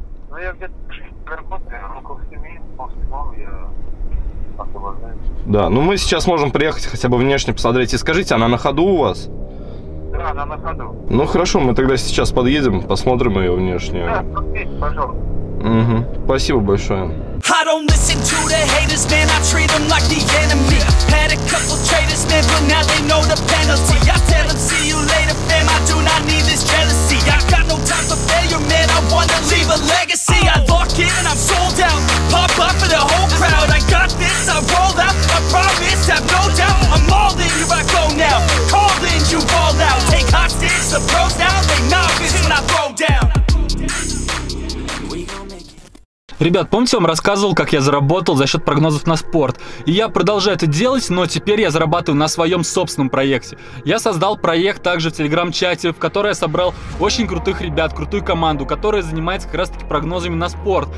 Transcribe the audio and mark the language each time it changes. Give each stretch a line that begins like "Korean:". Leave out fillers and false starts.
Russian: Ну, я где-то работаю, около 7, после 7 я освобождаюсь. Да, ну мы сейчас можем приехать хотя бы внешне посмотреть. И скажите, она на ходу у вас? Да, она на ходу. Ну хорошо, мы тогда сейчас подъедем, посмотрим ее внешнюю. Да, подпись, пожалуйста. Угу. Спасибо большое.
English: I don't listen to the haters, man, I treat them like the enemy. Had a couple traitors, man, but now they know the penalty. I tell them, see you later, fam, I do not need this jealousy. I got no time for failure, man, I wanna leave a legacy. I lock in and I'm sold out, pop up for the whole crowd. I got this, I roll out, I promise, have no doubt. I'm all in, here I go now, call in, you fall out. Take hostage, the pros now, they novice when I throw down.
Russian: Ребят, помните, я вам рассказывал, как я заработал за счет прогнозов на спорт? И я продолжаю это делать, но теперь я зарабатываю на своем собственном проекте. Я создал проект также в телеграм-чате, в который я собрал очень крутых ребят, крутую команду, которая занимается как раз-таки прогнозами на спорт.